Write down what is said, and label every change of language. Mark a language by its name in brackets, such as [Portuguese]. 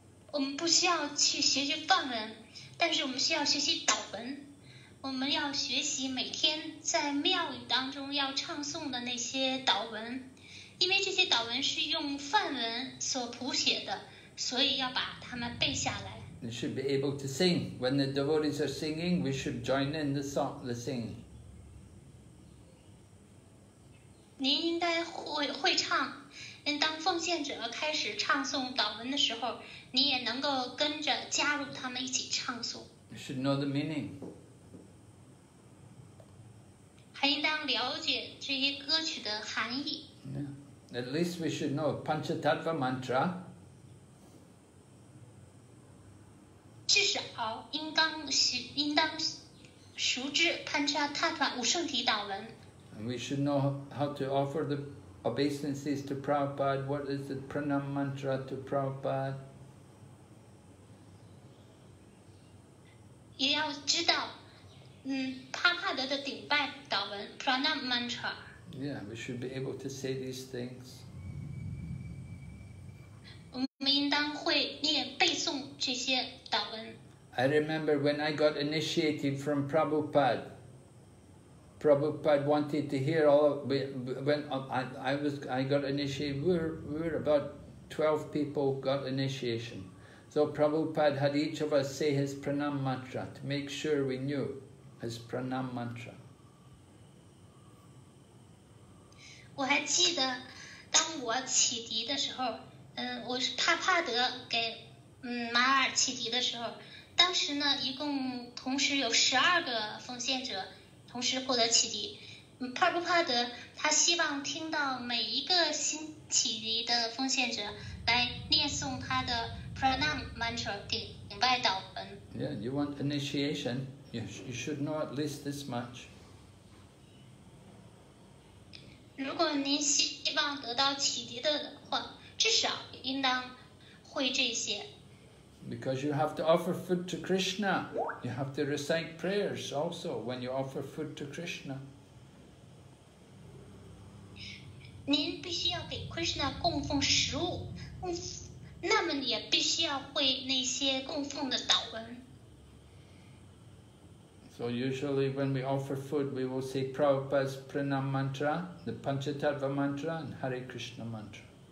[Chinese] 我们不需要去学习梵文，但是我们需要学习祷文。我们要学习每天在庙宇当中要唱诵的那些祷文，因为这些祷文是用梵文所谱写的，所以要把它们背下来。 [English] We should be able to sing. When the devotees are singing, we should join in the song, the singing. [Chinese] 您应该 会唱，当奉献者开始唱诵祷文的时候，你也能够跟着加入他们一起唱诵。 [English] You should know the meaning. [Chinese] 还应当了解这些歌曲的含义。 [English] Yeah. At least we should know Panchatattva mantra. [Chinese] 至少应当熟知 Panchatattva 五圣体祷文。 [English] And we should know how to offer the obeisances to Prabhupada. What is the pranam mantra to Prabhupada? [Chinese] 也要知道，帕帕德的顶拜祷文 Pranam Mantra。 [English] Yeah, we should be able to say these things. [Chinese] 我们应当会念背诵这些祷文。 [English] I remember when I got initiated from Prabhupada. Prabhupada wanted to hear all of, when I got initiated. We were about 12 people got initiation. So Prabhupada had each of us say his pranam mantra to make sure we knew his pranam mantra. [Chinese] 我还记得当我启迪的时候，我是帕帕德给马尔启迪的时候，当时呢一共同时有12个奉献者同时获得启迪。帕布帕德他希望听到每一个新启迪的奉献者来念诵他的Pranam mantra, 顶拜祷文。 [English] Yeah, you want initiation, you should know at least this much. [Chinese] 如果您希望得到启迪的话，至少应当会这些。 [English] Because you have to offer food to Krishna, you have to recite prayers also when you offer food to Krishna. [Chinese] 您必须要给 Krishna 供奉食物。那么你也必须要会那些供奉的祷文。 [English] So usually when we offer food, we will say Prabhupada's Pranam Mantra, the Panchatattva Mantra, and Hare Krishna Mantra.